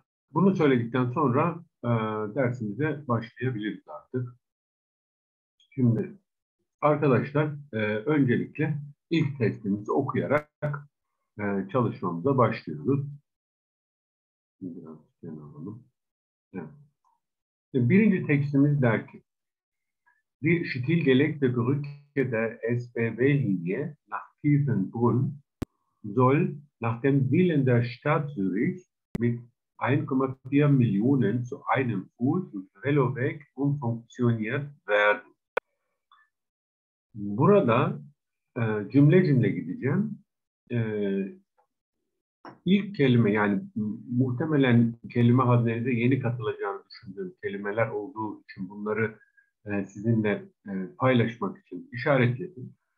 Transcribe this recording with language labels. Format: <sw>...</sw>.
<tr>Bunu söyledikten sonra dersimize başlayabiliriz artık. Şimdi arkadaşlar öncelikle ilk testimizi okuyarak çalışmamıza başlıyoruz. Biraz kenara alalım. Evet. Birinci tekstimiz der ki,</tr> <de>Die stillgelegte Brücke der SBB-Linie nach Tiefenbrunn soll nach dem Willen der Stadt Zürich mit 1,4 Millionen zu einem Fuß- und Veloweg umfunktioniert werden.</de> <tr>Burada cümle cümle gideceğim. İlk kelime, yani muhtemelen kelime haznenize yeni katılacağını düşündüğüm kelimeler olduğu için bunları sizinle paylaşmak için işaretledim.</tr>